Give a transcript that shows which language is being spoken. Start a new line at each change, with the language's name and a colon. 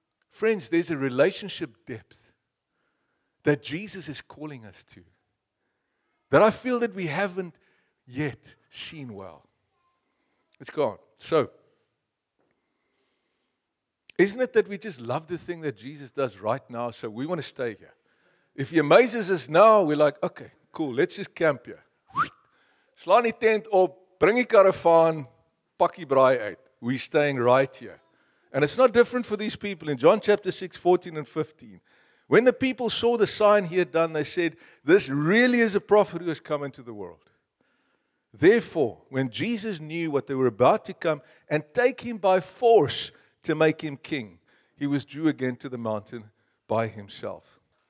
English: Friends, there's a relationship depth that Jesus is calling us to that I feel that we haven't yet seen well. It's gone. So, isn't it that we just love the thing that Jesus does right now, so we want to stay here? If he amazes us now, we're like, okay, cool, let's just camp here.
Afrikaans: Slaan die tent op, bring die karavaan, pak die braai uit.
English: We're staying right here. And it's not different for these people in John chapter 6, 14 and 15. When the people saw the sign he had done, they said, this really is a prophet who has come into the world. Therefore, when Jesus knew what they were about to come and take him by force to make him king, he withdrew again to the mountain by himself.